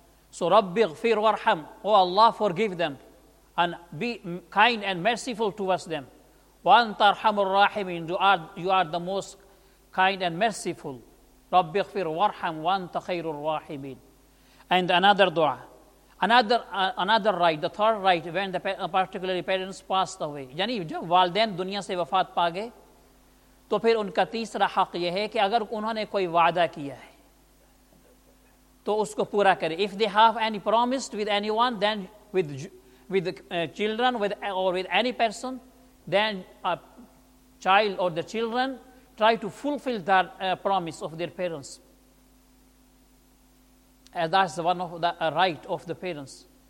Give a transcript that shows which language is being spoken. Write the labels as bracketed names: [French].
[English] So [Arabic] Rabbi ighfir warham, [English] oh Allah, forgive them and be kind and merciful towards them. [Arabic] Wa anta arhamur rahimin, [English] you are the most kind and merciful. [Arabic] Rabbi ighfir warham wa anta khairur rahimin. [English] And another dua, another right, the third right, when the particularly parents passed away. [Urdu] Yani jab walidain duniya se wafat pa gaye تو پھر ان کا تیسرا حق یہ ہے کہ اگر انہوں نے کوئی وعدہ کیا ہے تو اس کو پورا کرے. [English] If they have any promised with anyone, then with children with, or with any person, then a child or the children try to fulfill that promise of their parents. And that's one of the right of the parents.